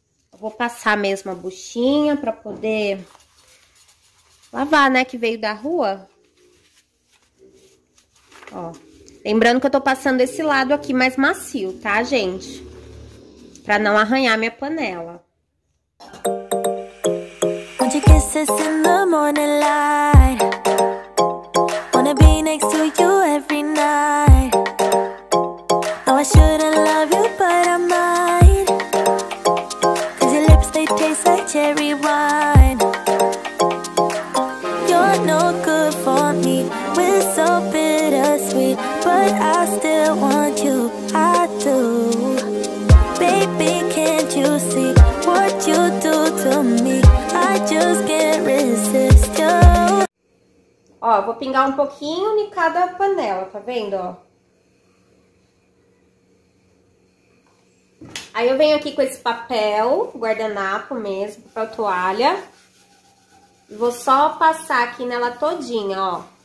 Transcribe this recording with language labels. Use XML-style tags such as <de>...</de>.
<pt>Eu vou passar mesmo a buchinha pra poder lavar, né, que veio da rua. Ó. Lembrando que eu tô passando esse lado aqui mais macio, tá, gente? Pra não arranhar minha panela.</pt> <en>Won't you kiss us in the morning light? Wanna be next to you every night. Oh, I shouldn't love you, but I might. Cause your lips, they taste like cherry wine. You're no good for me. We're so bittersweet, but I still want you, I do. Baby, can't you see what you do to me? I just can't resist you.</en> <pt>Ó, vou pingar um pouquinho em cada panela, tá vendo, ó? Aí eu venho aqui com esse papel, guardanapo mesmo, papel toalha. E vou só passar aqui nela todinha, ó.</pt>